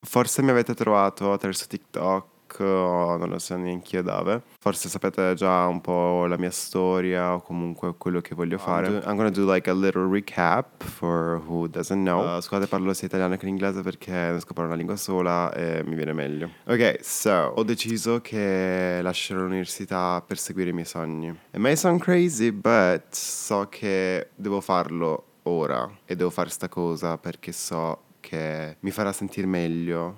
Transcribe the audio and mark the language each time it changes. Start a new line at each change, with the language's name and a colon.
Italian: Forse mi avete trovato attraverso TikTok, non lo so neanche io dove. Forse sapete già un po' la mia storia o comunque quello che voglio fare.
English: I'm gonna do like a little recap for who doesn't know.
Italian: Scusate, parlo sia italiano che inglese perché non so parlare una lingua sola e mi viene meglio.
English: Ok, so,
Italian: ho deciso che lascerò l'università per seguire i miei sogni.
English: It may sound crazy, but
Italian: so che devo farlo ora e devo fare sta cosa perché so che mi farà sentire meglio.